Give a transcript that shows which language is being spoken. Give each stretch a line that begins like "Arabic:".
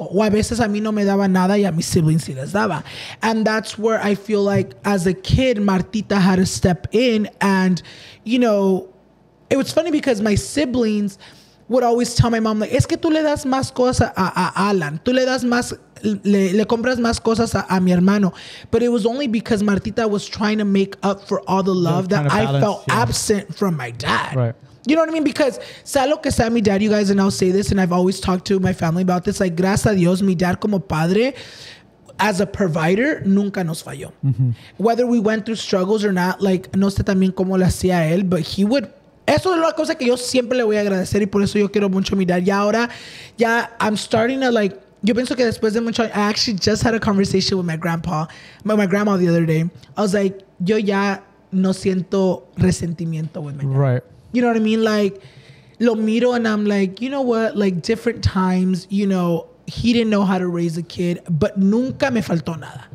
Spanish: O a veces a mí no me daba nada y a mis siblings sí les daba.
English: And that's where I feel like as a kid, Martita had to step in. And, you know, it was funny because my siblings, would always tell my mom,
Spanish: like, es que tú le das más cosas a Alan. Tú le das más, le compras más cosas a mi hermano.
English: But it was only because Martita was trying to make up for all the love that I felt absent from my dad. Right. You know what I mean? Because
Spanish: sea lo que sea mi dad,
English: you guys, and I'll say this, and I've always talked to my family about this, like,
Spanish: gracias a Dios, mi dad como padre,
English: as a provider,
Spanish: nunca nos falló.
English: Mm-hmm. Whether we went through struggles or not, like,
Spanish: no sé también cómo lo hacía él,
English: but he would...
Spanish: Eso es la cosa que yo siempre le voy a agradecer y por eso yo quiero mucho a mi dad. Y ahora, ya,
English: I'm starting to, like...
Spanish: Yo pienso que después de mucho...
English: I actually just had a conversation with my grandpa, my grandma the other day. I was like,
Spanish: yo ya no siento resentimiento
English: with my dad. Right. You know what I mean? Like,
Spanish: lo miro
English: and I'm like, you know what? Like, different times, you know, he didn't know how to raise a kid, but
Spanish: nunca me faltó nada.